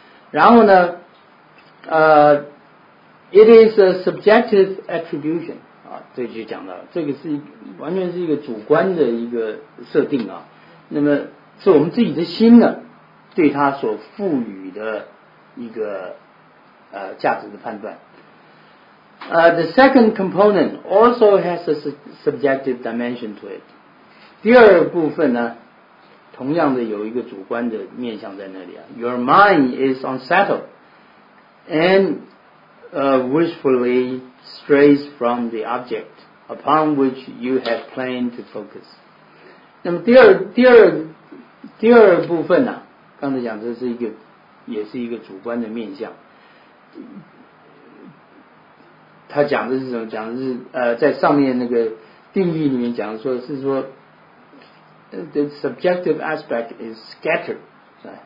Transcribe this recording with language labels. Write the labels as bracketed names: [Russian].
[Chinese] 然后呢， [English] it is a subjective attribution [Chinese] 啊，这就讲到了，这个是完全是一个主观的一个设定啊。那么是我们自己的心呢，对他所赋予的一个价值的判断。 [English] The second component also has a subjective dimension to it. [Chinese] 第二部分呢，同样的有一个主观的面向在那里啊。 [English] Your mind is unsettled and wishfully strays from the object upon which you have planned to focus. [Chinese] 那么第二部分呢、啊，刚才讲这是一个，也是一个主观的面向。他讲的是什么？讲的是在上面那个定义里面讲的说是说 ， [English] the subjective aspect is scattered， [Chinese] 是吧？